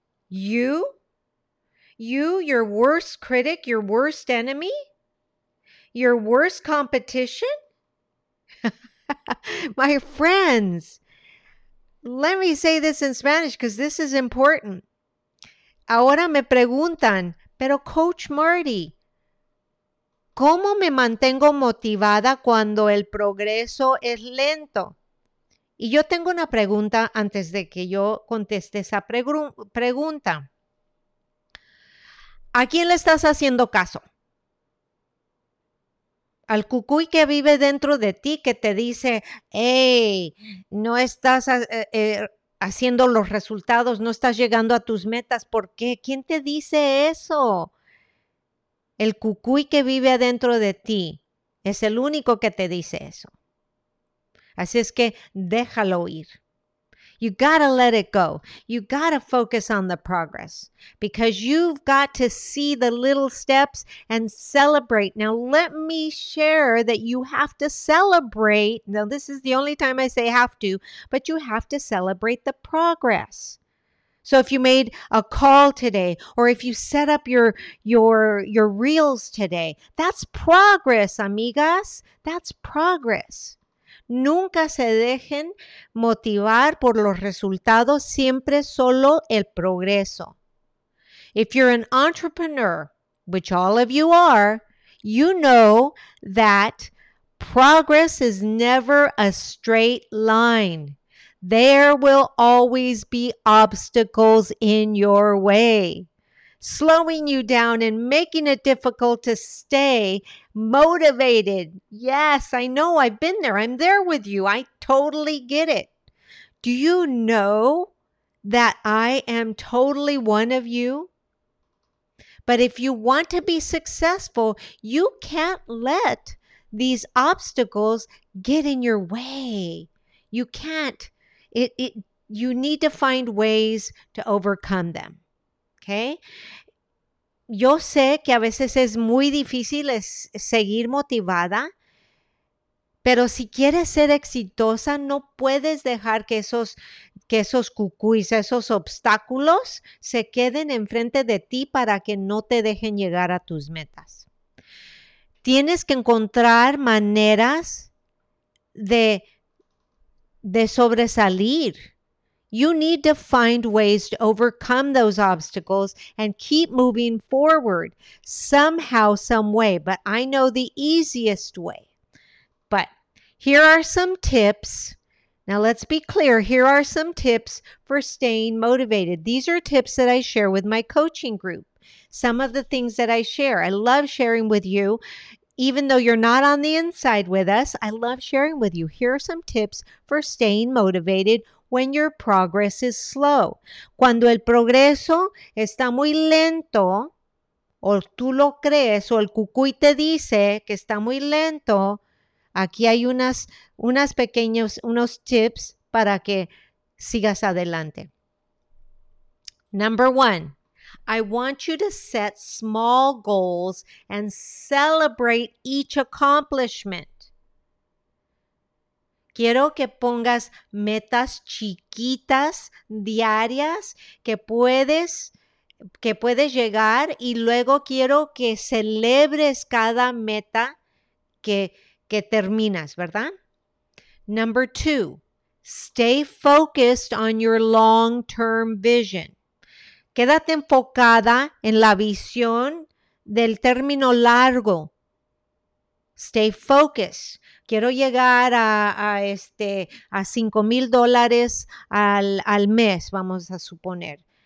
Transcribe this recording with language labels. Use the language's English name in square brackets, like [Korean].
[English] You, your worst critic, your worst enemy, your worst competition? My friends, let me say this in Spanish because this is important. [Spanish] Ahora me preguntan, pero Coach Marty, ¿cómo me mantengo motivada cuando el progreso es lento? Y yo tengo una pregunta antes de que yo conteste esa pregunta. ¿A quién le estás haciendo caso? ¿Al cucuy que vive dentro de ti que te dice, hey, no estás haciendo los resultados, no estás llegando a tus metas? ¿Por qué? ¿Quién te dice eso? El cucuy que vive adentro de ti es el único que te dice eso. Así es que déjalo ir. [English] You gotta let it go. You gotta focus on the progress because you've got to see the little steps and celebrate. Now, let me share that you have to celebrate. Now, this is the only time I say have to, but you have to celebrate the progress. So if you made a call today, or if you set up your reels today, that's progress, amigas. That's progress. [Spanish] Nunca se dejen motivar por los resultados, siempre solo el progreso. [English] If you're an entrepreneur, which all of you are, you know that progress is never a straight line. There will always be obstacles in your way, slowing you down and making it difficult to stay motivated. Yes, I know, I've been there. I'm there with you. I totally get it. Do you know that I am totally one of you? But if you want to be successful, you can't let these obstacles get in your way. You can't. You need to find ways to overcome them. Okay? [Spanish] Yo sé que a veces es muy difícil seguir motivada, pero si quieres ser exitosa, no puedes dejar que esos cucuis, esos obstáculos se queden enfrente de ti para que no te dejen llegar a tus metas. Tienes que encontrar maneras de sobresalir. [English] You need to find ways to overcome those obstacles and keep moving forward somehow, some way. But I know the easiest way. But here are some tips. Now, let's be clear. Here are some tips for staying motivated. These are tips that I share with my coaching group. Some of the things that I share, I love sharing with you. Even though you're not on the inside with us, I love sharing with you. Here are some tips for staying motivated when your progress is slow. [Spanish] Cuando el progreso está muy lento, o tú lo crees, o el cucuy te dice que está muy lento, aquí hay unos tips para que sigas adelante. [English] Number one. I want you to set small goals and celebrate each accomplishment. [Spanish] Quiero que pongas metas chiquitas, diarias, que puedes llegar, y luego quiero que celebres cada meta que terminas, ¿verdad? [English] Number two, stay focused on your long-term vision. [Spanish] Quédate enfocada en la visión del término largo. [English] Stay focused. [Spanish] Quiero llegar a $5,000 al mes, vamos a suponer.